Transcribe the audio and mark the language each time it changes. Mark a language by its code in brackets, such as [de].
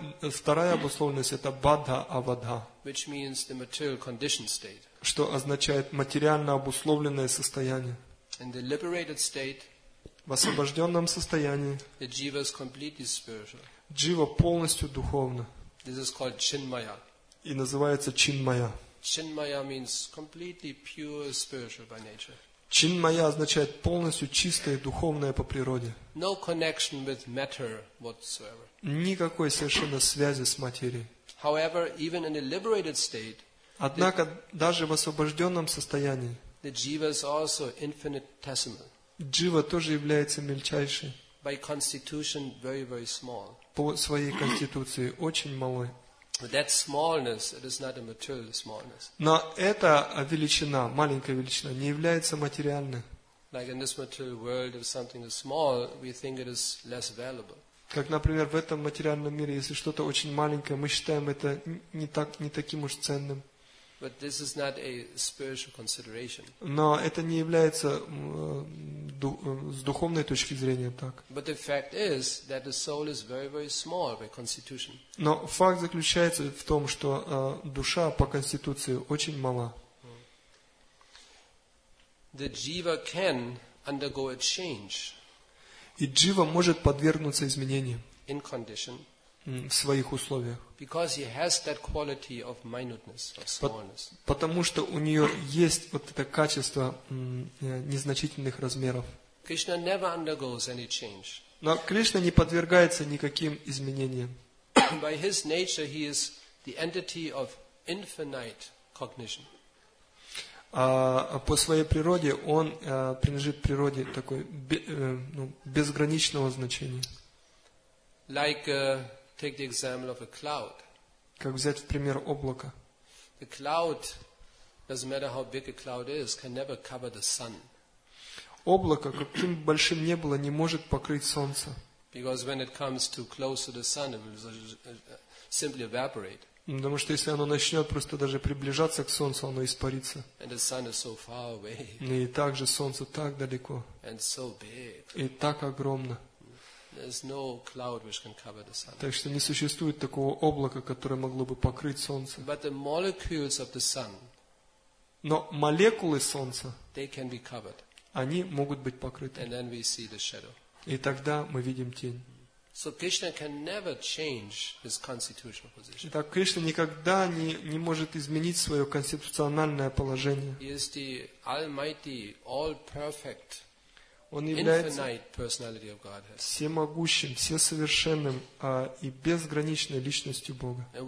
[ru] Вторая обусловленность это Baddha Avastha. [en] Which means the material conditioned state. [ru] Что означает материально обусловленное состояние. [en] And the liberated state. [ru] В освобожденном состоянии [en] the jiva is completely spiritual. [ru] Джива полностью духовна. [en] This is called chinmaya. [ru] И называется чинмая. [en] Chinmaya means completely pure spiritual by nature. [ru] Чинмая означает полностью чистое духовное по природе. [en] No connection with matter whatsoever. [ru] Никакой совершенно связи с материей. [en] However, even in a liberated state, [ru] однако даже в освобожденном состоянии [en] the jiva is also infinitesimal. [ru] Джива тоже является мельчайшей. [en] By constitution, very, very small. [ru] По своей конституции очень малой. [en] But that smallness, it is not a material smallness. [ru] Но эта величина, маленькая величина, не является материальной. [en] Like in this material world, if something is small, we think it is less valuable. [ru] Как, например, в этом материальном мире, если что-то очень маленькое, мы считаем это не таким уж ценным. [en] But this is not a spiritual consideration. [ru] Но это не является с духовной точки зрения так. [en] But the fact is that the soul is very, very small by constitution. [ru] Но факт заключается в том, что душа по конституции очень мала. [en] The jiva can undergo a change. [ru] И джива может подвергнуться изменениям. [en] In condition. [ru] В своих условиях. [en] Because he has that quality of minuteness, of smallness. [ru] Потому что у нее есть вот это качество незначительных размеров. [en] Krishna never undergoes any change. [ru] Но Кришна не подвергается никаким изменениям. [en] By his nature, he is the entity of infinite cognition. [ru] По своей природе он принадлежит природе такой безграничного значения. [en] Like take the example of a cloud. [ru] Как взять в пример облако? [en] The cloud doesn't matter how big a cloud is, can never cover the sun. [ru] Облако, каким большим ни было, не может покрыть солнце. [en] Because when it comes too close to the sun, it will simply evaporate. [ru] Потому что если оно начнет просто даже приближаться к солнцу, оно испарится. [en] And the sun is so far away. [ru] И также солнце так далеко. [en] And so big. [ru] И так огромно. [en] There's no cloud which can cover the sun. [ru] Так что не существует такого облака, которое могло бы покрыть солнце. [en] But the molecules of the sun, [ru] но молекулы солнца, [en] they can be covered. [ru] Они могут быть покрыты. [en] And then we see the shadow. [ru] И тогда мы видим тень. [en] So Krishna can never change his constitutional position. [ru] Итак, Кришна никогда не может изменить свое конституциональное положение. [en] He is the almighty, all perfect. [ru] Он является всемогущим, всесовершенным и безграничной личностью Бога.